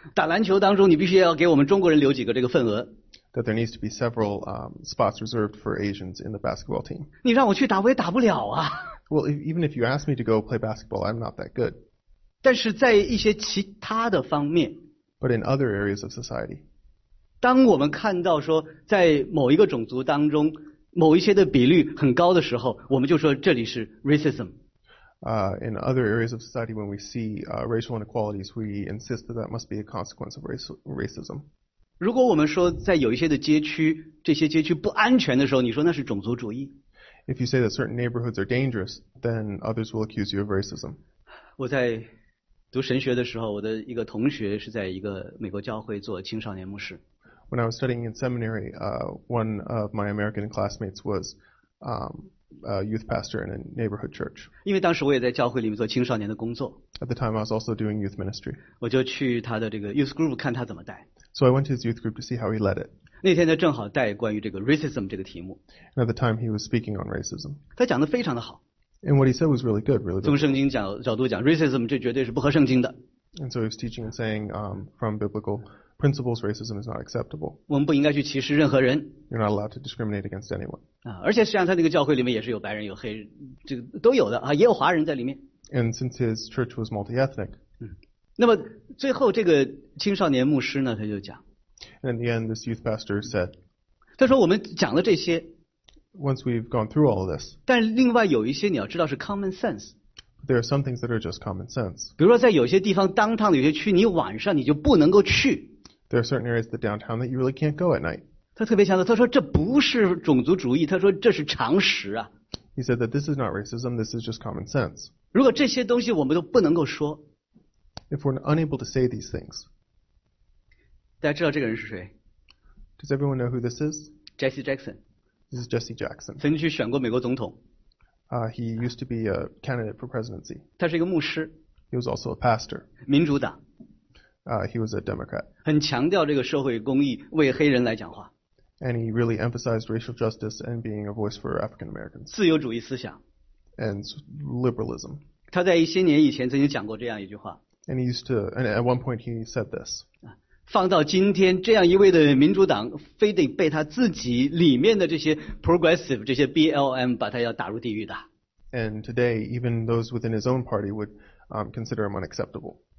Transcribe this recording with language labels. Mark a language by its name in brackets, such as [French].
[Chinese] 打篮球当中，你必须要给我们中国人留几个这个份额。 [English] That there needs to be several spots reserved for Asians in the basketball team. [Chinese] 你让我去打，我也打不了啊。 [English] Well, even if you ask me to go play basketball, I'm not that good. [Chinese] 但是在一些其他的方面 [English] But in other areas of society, [Chinese] 当我们看到说在某一个种族当中某一些的比率很高的时候我们就说这里是 racism [English] In other areas of society when we see racial inequalities we insist that that must be a consequence of racism [Chinese] 如果我们说在有一些的街区这些街区不安全的时候你说那是种族主义 [English] If you say that certain neighborhoods are dangerous then others will accuse you of racism [Chinese] 我在读神学的时候，我的一个同学是在一个美国教会做青少年牧师。 [English] When I was studying in seminary, one of my American classmates was a youth pastor in a neighborhood church. [Chinese] 因为当时我也在教会里面做青少年的工作。 [English] At the time, I was also doing youth ministry. [Chinese] 我就去他的这个 [English] youth group [Chinese] 看他怎么带。 [English] So I went to his youth group to see how he led it. [Chinese] 那天他正好带关于这个 racism 这个题目。 [English] And at the time, he was speaking on racism. [Chinese] 他讲得非常的好。 [English] And what he said was really good, really good. [Chinese] 从圣经角度讲 racism 这绝对是不合圣经的。 [English] And so he was teaching and saying, from biblical principles, racism is not acceptable. [Chinese] 我们不应该去歧视任何人。 [English] You're not allowed to discriminate against anyone. [Chinese] 啊，而且实际上他那个教会里面也是有白人、有黑人，这个都有的啊，也有华人在里面。 [English] And since his church was multi-ethnic. [Chinese] 那么最后这个青少年牧师呢，他就讲。 [English] And in the end, this youth pastor said. [Chinese] 他说我们讲了这些。 [English] Once we've gone through all of this, [Chinese] 但另外有一些你要知道是 [English] common sense. There are some things that are just common sense. [Chinese] 比如说在有些地方 downtown 的有些区，你晚上你就不能够去。 [English] There are certain areas of the downtown that you really can't go at night. [Chinese] 他特别强调，他说这不是种族主义，他说这是常识啊。 [English] He said that this is not racism. This is just common sense. [Chinese] 如果这些东西我们都不能够说 [English] ，If we're unable to say these things, [Chinese] 大家知道这个人是谁 [English] ？Does everyone know who this is? Jesse Jackson. This is Jesse Jackson. [Chinese] 曾经去选过美国总统。 [English] He used to be a candidate for presidency. [Chinese] 他是一个牧师。 [English] He was also a pastor. [Chinese] 民主党。 [English] He was a Democrat. [Chinese] 很强调这个社会公益，为黑人来讲话。 [English] And he really emphasized racial justice and being a voice for African Americans. [Chinese] 自由主义思想。 [English] And liberalism. [Chinese] 他在一些年以前曾经讲过这样一句话。 [English] And he used to, and at one point he said this. [Chinese] 放到今天，这样一位的民主党，非得被他自己里面的这些 progressive 这些 BLM 把他要打入地狱的。 [English] And today, even those within his own party would, consider him unacceptable.